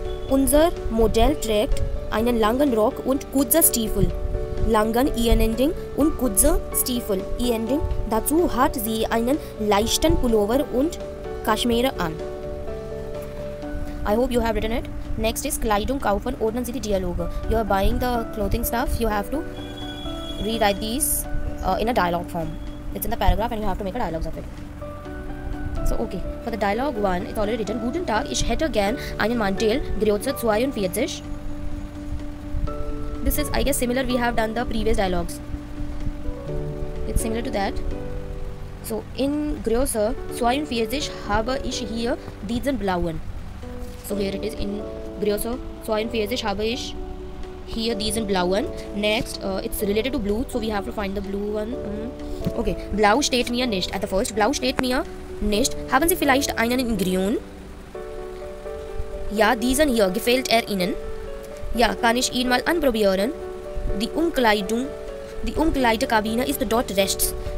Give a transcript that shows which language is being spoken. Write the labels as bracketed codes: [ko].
[de] Unser Modell trägt einen langen Rock und kurze Stiefel. Langen E-Ending und kurze Stiefel. E-Ending. Dazu hat sie einen leichten Pullover und Kaschmir an. [en] I hope you have written it. Next is [de] Kleidung kaufen, ordnen Sie die Dialoge. [en] You are buying the clothing stuff, you have to rewrite these in a dialogue form. It's in the paragraph and you have to make a dialogue of it. So okay, for the dialogue one, it's already written. [de] Guten Tag, ich hätte gern einen Mantel, Größe 42. [en] This is, I guess, similar. We have done the previous dialogues. It's similar to that. [de] So in Größe 42 habe ich hier diesen blauen. [en] So here it is in [de] Größe 42 habe ich hier diesen blauen. [en] Next, it's related to blue, so we have to find the blue one. [de] Okay, blau steht mir nicht. [en] At the first, [de] blau steht mir nicht. Haben Sie vielleicht einen in grün? Ja, diesen hier. Gefällt Ihnen? Ja, kann ich ihn mal anprobieren? Die Umkleidekabine ist dort rechts.